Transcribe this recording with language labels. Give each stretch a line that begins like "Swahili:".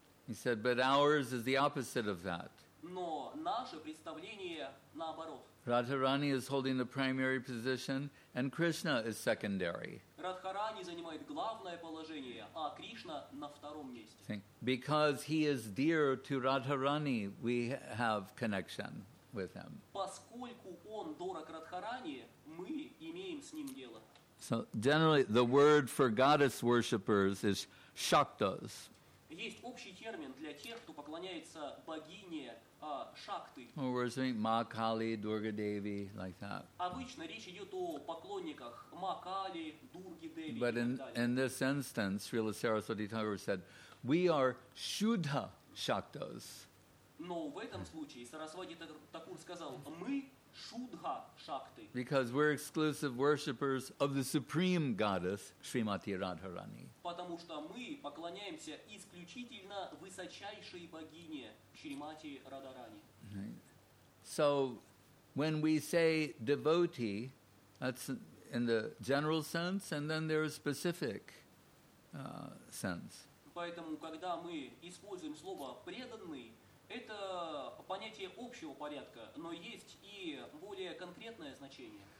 English: He said, but ours is the opposite of that.
Russian: Но наше представление наоборот.
English: Radharani is holding the primary position and Krishna is secondary.
Russian: Радхарани занимает главное положение, а Кришна на втором месте.
English: Because he is dear to Radharani, we have connection with him.
Russian: Поскольку он дорог Радхарани, мы имеем с ним дело.
English: So generally, the word for goddess worshippers is shaktas.
Russian: Есть общий термин для тех, кто поклоняется богине Шакты.
English: Or worshiping Ma Kali, Durga Devi, like that.
Russian: Обычно речь идет о поклонниках Ma Kali, Durga Devi.
English: But in this instance, Srila Saraswati Thakur said, we are Shuddha Shaktas.
Russian: Но в этом случае Сарасвати Такур сказал, мы Шудха Шакты.
English: Because we're exclusive worshippers of the supreme goddess, Shrimati Radharani.
Russian: Потому что мы поклоняемся исключительно высочайшей богине, Шримати Радхарани.
English: So, when we say devotee, that's in the general sense, and then there is specific sense.
Russian: Поэтому, когда мы используем слово преданный, это понятие общего порядка, но есть и более конкретное значение.